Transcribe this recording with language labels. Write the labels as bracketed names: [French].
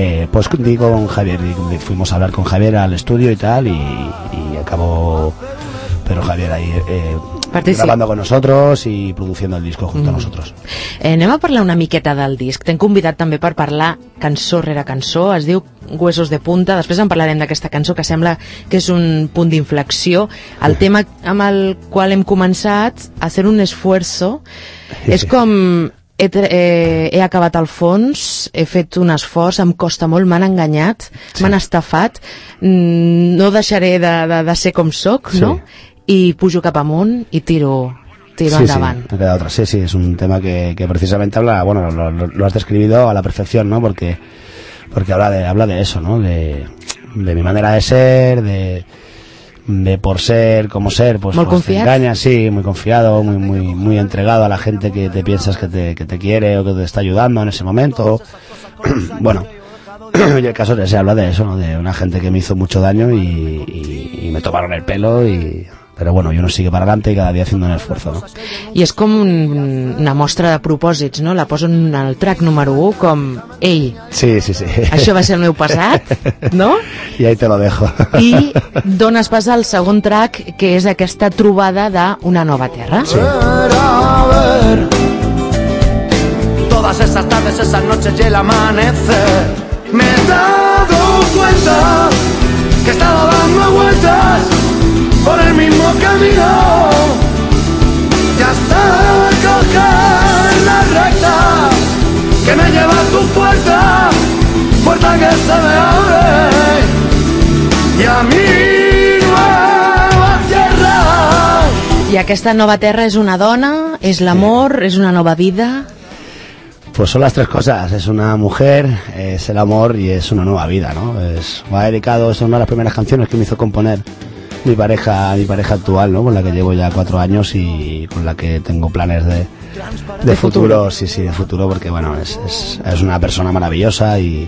[Spanish] pues di con Javier, fuimos a hablar con Javier al estudio y tal, y acabó Pedro Javier ahí grabando con nosotros y produciendo el disco junto a nosotros. [Catalan] Anem a parlar una miqueta del disc. T'hem convidat també per parlar cançó rere cançó. Es diu Huesos de Punta. Després en parlarem d'aquesta cançó, que sembla que és un punt d'inflexió. El tema amb el qual hem començat, [Spanish] a hacer un esfuerzo, [Catalan] és com he acabat al fons, he fet un esforç, em costa molt, m'han enganyat, sí. M'han estafat, no deixaré de ser com sóc, sí. No? Y pujo cap amunt y tiro sí, endavant. Sí, ha quedat otra. [Spanish] Sí, es un tema que precisamente habla, bueno, lo has descrito a la perfección, ¿no? Porque habla de eso, ¿no? De mi manera de ser, de por ser, como ser, pues [Catalan] molt confiat. [Spanish] Te engañas, sí, muy confiado, muy entregado a la gente que te piensas que te quiere o que te está ayudando en ese momento. Bueno, y el caso de ese habla de eso, ¿no? De una gente que me hizo mucho daño y me tomaron el pelo y... [Catalan] Però bueno, jo no sigo per avant i cada dia fent un esforç, no? I és com una mostra de propòsits, no? La poso en el track número 1 com ell. Sí, sí, sí. Això va ser el meu passat, no? [Spanish] I ahí te lo dejo. [Catalan] I dones pas al segon track, que és aquesta trobada d'una nova terra. Sí. [Spanish] Era ver todas esas tardes, esas noches y el amanecer. Me he dado cuenta que estaba dando vueltas por el mismo camino y hasta coger la recta que me lleva a tu puerta, puerta que se me abre y a mí. [Catalan] I aquesta nova terra és una dona, és l'amor, és una nova vida. [Spanish] Pues son las tres cosas, es una mujer, es el amor y es una nueva vida, ¿no? Va dedicado, es una de las primeras canciones que me hizo componer mi pareja actual, ¿no? Con la que llevo ya 4 años y con la que tengo planes de futuro, sí, de futuro, porque bueno, es una persona maravillosa